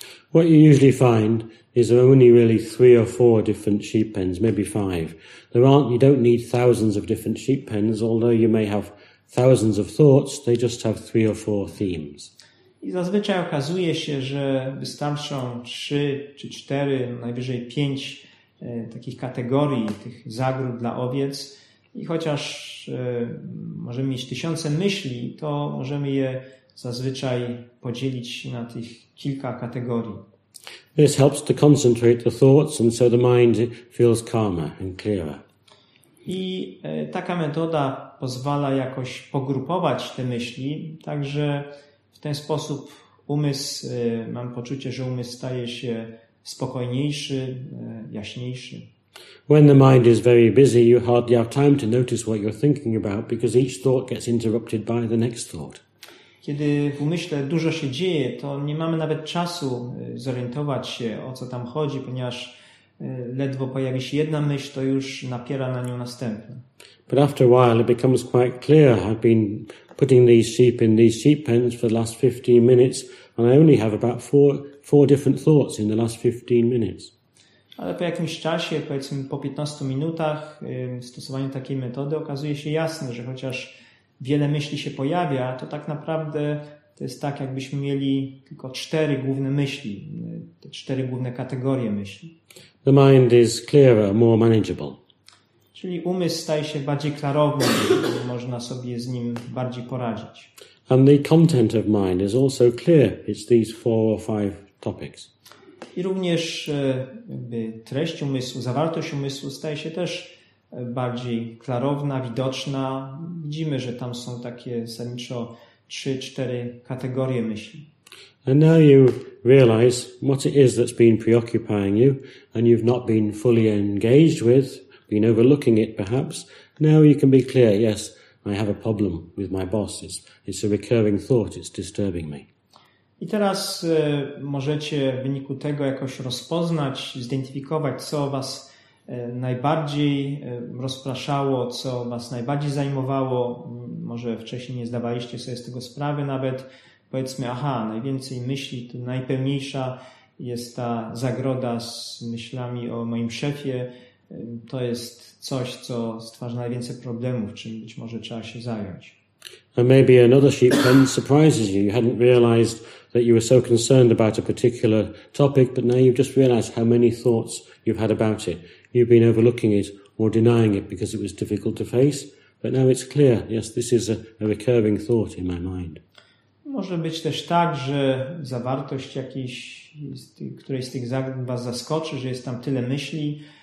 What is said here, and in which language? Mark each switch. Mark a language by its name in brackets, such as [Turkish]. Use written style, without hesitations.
[English] What you usually find is there are only really three or four different sheep pens, maybe five. You don't need thousands of different sheep pens, although you may have thousands of thoughts, they just have three or four themes. [Polish] I zazwyczaj okazuje się, że wystarczą trzy czy cztery, najwyżej pięć takich kategorii, tych zagród dla owiec. I chociaż możemy mieć tysiące myśli, to możemy je zazwyczaj podzielić na tych kilka kategorii. [English] This helps to concentrate the thoughts, and so the mind feels calmer and clearer. [Polish] I taka metoda pozwala jakoś pogrupować te myśli, także w ten sposób mam poczucie, że umysł staje się spokojniejszy, jaśniejszy. [English] When the mind is very busy, you hardly have time to notice what you're thinking about, because each thought gets interrupted by the next thought. [Polish] Kiedy w umyśle dużo się dzieje, to nie mamy nawet czasu zorientować się, o co tam chodzi, ponieważ ledwo pojawi się jedna myśl, to już napiera na nią następna. [English] But after a while it becomes quite clear. I've been putting these sheep in these sheep pens for the last 15 minutes and I only have about four different thoughts in the last 15 minutes. [Polish] Ale po jakimś czasie, powiedzmy po 15 minutach stosowania takiej metody, okazuje się jasne, że chociaż wiele myśli się pojawia, to tak naprawdę to jest tak, jakbyśmy mieli tylko cztery główne myśli, te cztery główne kategorie myśli. [English] The mind is clearer, more manageable. [Polish] Czyli umysł staje się bardziej klarowny, można sobie z nim bardziej poradzić. [English] And the content of mind is also clear. It's these four or five topics. [Polish] I również treść umysłu, zawartość umysłu staje się też bardziej klarowna, widoczna. Widzimy, że tam są takie zasadniczo 3-4 kategorie myśli. [English] And now you realize what it is that's been preoccupying you and you've not been fully engaged with, been overlooking it perhaps. Now you can be clear, yes, I have a problem with my boss. It's a recurring thought, it's disturbing me. [Polish] I teraz możecie w wyniku tego jakoś rozpoznać, zidentyfikować, co was najbardziej rozpraszało, co was najbardziej zajmowało. Może wcześniej nie zdawaliście sobie z tego sprawy nawet. Powiedzmy, aha, najwięcej myśli, to najpełniejsza jest ta zagroda z myślami o moim szefie. To jest coś, co stwarza najwięcej problemów, czym być może trzeba się zająć. [English] And maybe another sheep pen surprises you. You hadn't realized that you were so concerned about a particular topic, but now you've just realized how many thoughts you've had about it. You've been overlooking it or denying it because it was difficult to face, but now it's clear. Yes, this is a recurring thought in my mind. [Polish] Może być też tak, że zawartość jakiejś, której z tych zagad was zaskoczy, że jest tam tyle myśli.